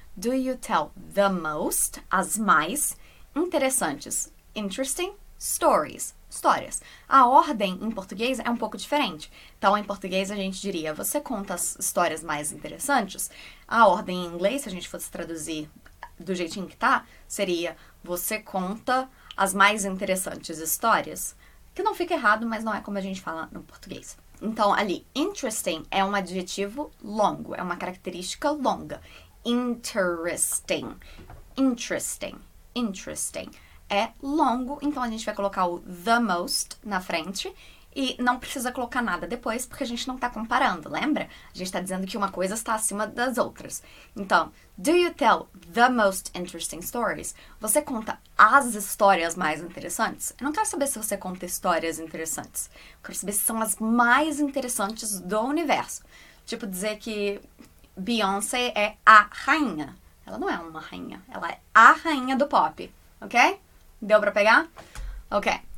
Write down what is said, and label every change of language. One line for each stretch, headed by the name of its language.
English: Do you tell the most,
Portuguese: as mais interessantes?
English: Interesting stories, histórias.
Portuguese: A ordem em português é um pouco diferente. Então, em português, a gente diria, você conta as histórias mais interessantes? A ordem em inglês, se a gente fosse traduzir do jeitinho que tá, seria, você conta as mais interessantes histórias? Que não fica errado, mas não é como a gente fala no português. Então, ali, interesting é um adjetivo longo, é uma característica longa.
English: Interesting, interesting, interesting.
Portuguese: É longo, então a gente vai colocar o the most na frente e não precisa colocar nada depois, porque a gente não está comparando, lembra? A gente está dizendo que uma coisa está acima das outras.
English: Então, do you tell the most interesting stories?
Portuguese: Você conta as histórias mais interessantes? Eu não quero saber se você conta histórias interessantes. Eu quero saber se são as mais interessantes do universo. Tipo, dizer que Beyoncé é a rainha. Ela não é uma rainha, ela é a rainha do pop, ok? Deu pra pegar? Ok.